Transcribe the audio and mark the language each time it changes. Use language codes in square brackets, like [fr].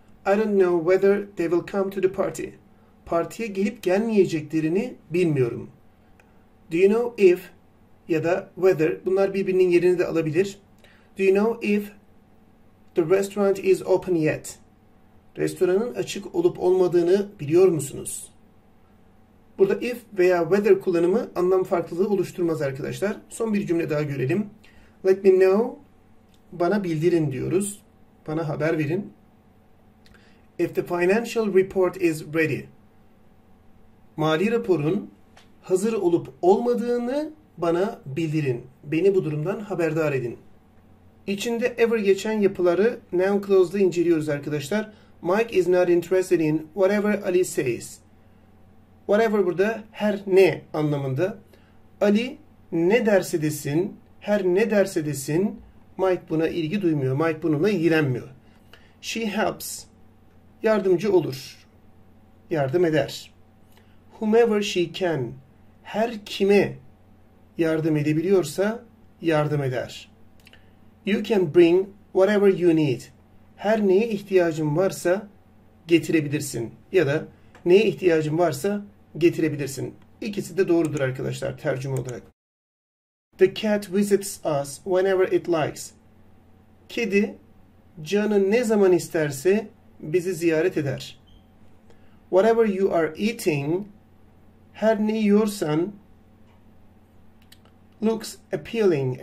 [en] I don't know whether they will come to the party. [tr] Partiye gelip gelmeyeceklerini bilmiyorum. [en] Do you know if [tr] ya da whether, bunlar birbirinin yerini de alabilir. [en] Do you know if the restaurant is open yet? [tr] Restoranın açık olup olmadığını biliyor musunuz? Burada if veya whether kullanımı anlam farklılığı oluşturmaz arkadaşlar. Son bir cümle daha görelim. [en] Let me know. [tr] Bana bildirin diyoruz. Bana haber verin. [en] If the financial report is ready. [tr] Mali raporun hazır olup olmadığını bana bildirin. Beni bu durumdan haberdar edin. İçinde ever geçen yapıları noun clause'da inceliyoruz arkadaşlar. [en] Mike is not interested in whatever Ali says. [tr] Whatever burada her ne anlamında. Ali ne derse desin, her ne derse desin Mike buna ilgi duymuyor. Mike bununla ilgilenmiyor. [en] She helps. [tr] Yardımcı olur. Yardım eder. [en] Whomever she can. [tr] Her kime yardım edebiliyorsa yardım eder. [en] You can bring whatever you need. [tr] Her neye ihtiyacın varsa getirebilirsin. Ya da neye ihtiyacın varsa getirebilirsin. İkisi de doğrudur arkadaşlar tercüme olarak. [en] The cat visits us whenever it likes. [tr] Kedi canı ne zaman isterse bizi ziyaret eder. [en] Whatever you are eating, [tr] her ne yiyorsan [en] looks appealing.